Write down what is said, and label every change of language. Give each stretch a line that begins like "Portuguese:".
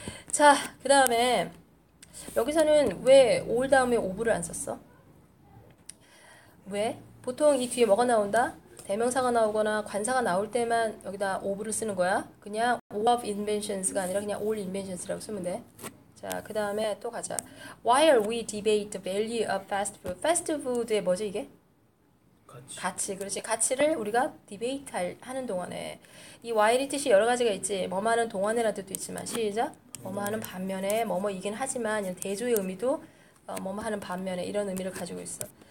Korean: 자, 그 다음에 여기서는 왜 all 다음에 of를 안 썼어? 왜? 보통 이 뒤에 뭐가 나온다? 대명사가 나오거나 관사가 나올 때만 여기다 of를 쓰는 거야. 그냥
English: all of inventions
Korean: 가 아니라 그냥
English: all inventions
Korean: 라고 쓰면 돼. 자, 그 다음에 또 가자.
English: Why are we debate the value of fast food?
Korean: Fast food의 뭐지 이게? 같이. 가치, 그렇지. 가치를 우리가 debate 하는 동안에. 이 while의 뜻이 여러 가지가 있지. 뭐뭐하는 동안에라는 뜻도 있지만. 시작. 뭐뭐하는 반면에, 뭐뭐이긴 하지만 이런 대조의 의미도 뭐뭐하는 반면에 이런 의미를 가지고 있어.